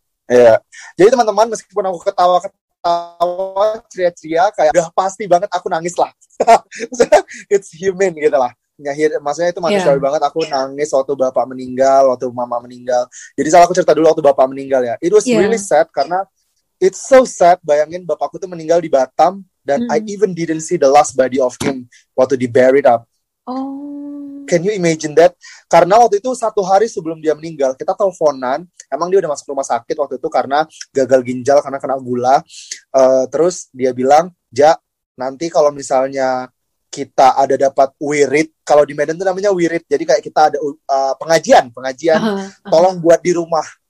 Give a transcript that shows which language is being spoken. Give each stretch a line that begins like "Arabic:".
Indonesian: Iya, jadi teman-teman, meskipun aku ketawa-ketawa ceria-ceria, kayak udah pasti banget aku nangis lah.
English: It's human
Indonesian: gitu lah. Maksudnya itu manusiawi banget, aku nangis waktu bapak meninggal, waktu mama meninggal. Jadi salah aku cerita dulu waktu bapak meninggal ya.
English: It was really sad,
Indonesian: karena
English: it's so sad,
Indonesian: bayangin bapakku tuh meninggal di Batam, dan
English: I even didn't see the last body of him
Indonesian: waktu di
English: buried up. Can you imagine that?
Indonesian: Karena waktu itu satu hari sebelum dia meninggal, kita teleponan, emang dia udah masuk rumah sakit waktu itu karena gagal ginjal, karena kena gula. Terus dia bilang, Ja, nanti kalau misalnya kita ada dapat wirid, kalau di Medan itu namanya wirid, jadi kayak kita ada pengajian, tolong buat di rumah.